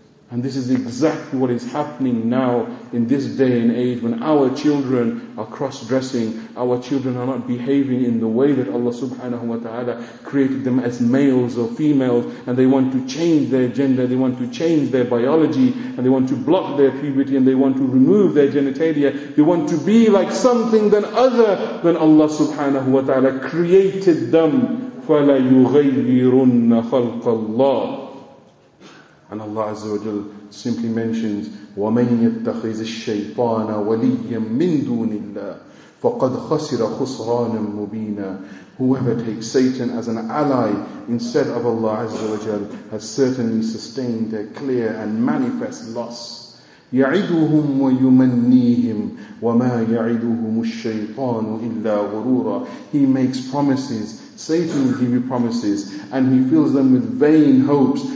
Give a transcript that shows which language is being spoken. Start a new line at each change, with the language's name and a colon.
English: And this is exactly what is happening now in this day and age, when our children are cross-dressing, our children are not behaving in the way that Allah subhanahu wa ta'ala created them as males or females, and they want to change their gender, they want to change their biology, and they want to block their puberty, and they want to remove their genitalia. They want to be like something than other than Allah subhanahu wa ta'ala created them.
Arabic: فَلَيُغَيِّرُنَّ خَلْقَ اللَّهِ.
English: And Allah Azza wa Jal simply mentions,
Arabic: وَمَنْ يَتَّخِذِ الشَّيْطَانَ وَلِيًّا مِنْ دُونِ اللَّهِ فَقَدْ خَسِرَ خُسْرَانًا مُبِينًا.
English: Whoever takes Satan as an ally instead of Allah Azza wa Jal has certainly sustained a clear and manifest loss.
Arabic: يَعِدُهُمْ وَيُمَنِّيهِمْ وَمَا يَعِدُهُمُ الشَّيْطَانُ إِلَّا غُرُورًا.
English: He makes promises, Satan will give you promises, and he fills them with vain hopes.